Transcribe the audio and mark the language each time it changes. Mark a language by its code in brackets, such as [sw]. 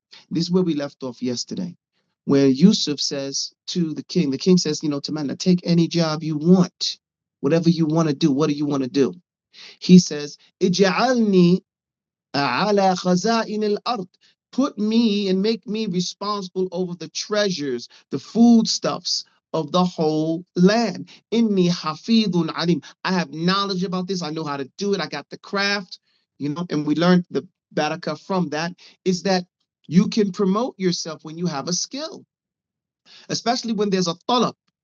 [en] This is where we left off yesterday, where Yusuf says to the king, the king says, you know, Tamanna, take any job you want, whatever you want to do, what do you want to do? He says, [ar] اجعلني على خزائن الأرض. [en] Put me and make me responsible over the treasures, the foodstuffs of the whole land. [ar] Inni hafidhun alim. [en] I have knowledge about this. I know how to do it. I got the craft, you know, and we learned the barakah from that, is that you can promote yourself when you have a skill, especially when there's a talab.